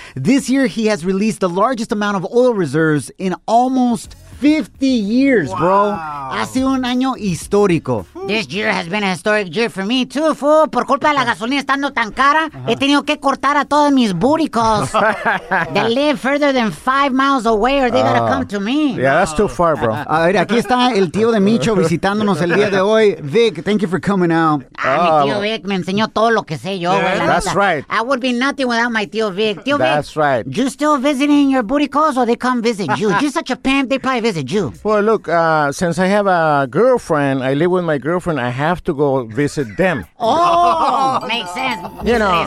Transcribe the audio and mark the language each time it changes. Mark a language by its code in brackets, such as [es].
[en] This year, he has released the largest amount of oil reserves in almost 50 years, wow. [es] Bro. Ha sido un año histórico. [en] This year has been a historic year for me, too, fool. [es] Por culpa de la gasolina estando tan cara, he tenido que cortar a todos mis booticles. [en] They live further than 5 miles away or they gotta come to me. Yeah, that's too far, bro. [es] A ver, aquí está el tío de Micho visitándonos el día de hoy. [en] Vic, thank you for coming out. [es] Ah, mi tío Vic me enseñó todo lo que sé yo, güey. [en] Yeah. That's right. I would be nothing without my tío Vic. Tío that's Vic. That's right. You still visiting your booticles or they come visit you? You're such a pimp, they probably visit you. Well, look, since I have a girlfriend, I live with my girlfriend, I have to go visit them. Oh, makes sense. You know,